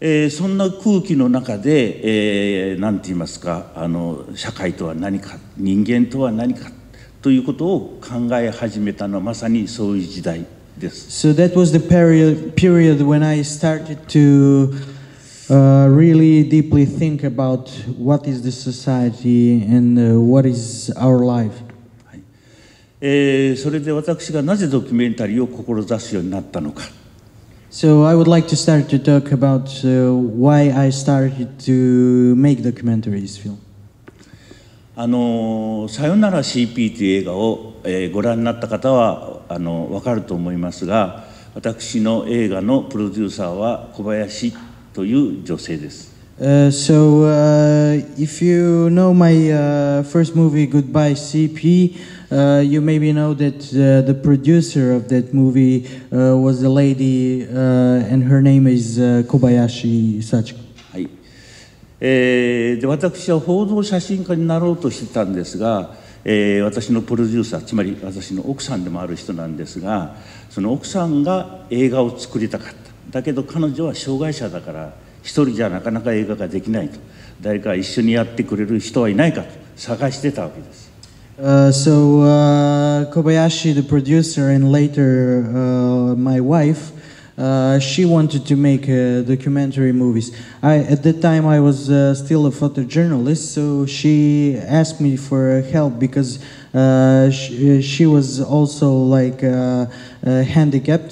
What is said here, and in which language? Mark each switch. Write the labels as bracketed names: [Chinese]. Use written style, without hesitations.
[Japanese] そんな空気の中で、なんて言いますか、社会とは何か、人間とは何かということを考え始めたのはまさにそういう時代です。 [English] So that was the period when I started to really deeply think about what is the society and what is our life. [Japanese] それで私がなぜドキュメンタリーを志すようになったのか。 [English] So I would like to start to talk about why I started to make documentaries film. [Japanese] さよなら CP という映画を、ご覧になった方は分かると思いますが、私の映画のプロデューサーは小林という女性です。 [English] If you know my first movie, Goodbye CP,you maybe know that the producer of that movie was a lady, and her name is Kobayashi Sachiko. [Japanese] はい。で、私は報道写真家になろうとしてたんですが、私のプロデューサー、つまり私の奥さんでもある人なんですが、その奥さんが映画を作りたかった。だけど彼女は障害者だから、一人じゃなかなか映画ができないと。誰か一緒にやってくれる人はいないかと探してたわけです。 [English] Kobayashi, the producer, and later my wife, she wanted to make documentary movies. At that time, I was still a photojournalist, so she asked me for help because she was also like handicapped.